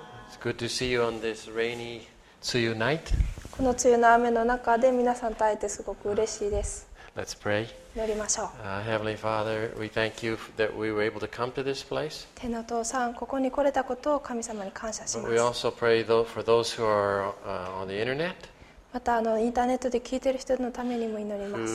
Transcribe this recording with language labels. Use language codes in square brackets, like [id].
[en] It's good to see you on this rainy 梅雨 night. [ja] この梅雨の雨の中で皆さんと会えてすごく嬉しいです。 [en] Let's pray. [ja] 祈りましょう。 [en] Heavenly Father, we thank you that we were able to come to this place. [ja] 天の父さん、ここに来れたことを神様に感謝します。 [en] We also pray though for those who are on the internet. [ja] またインターネットで聞いている人のためにも祈ります。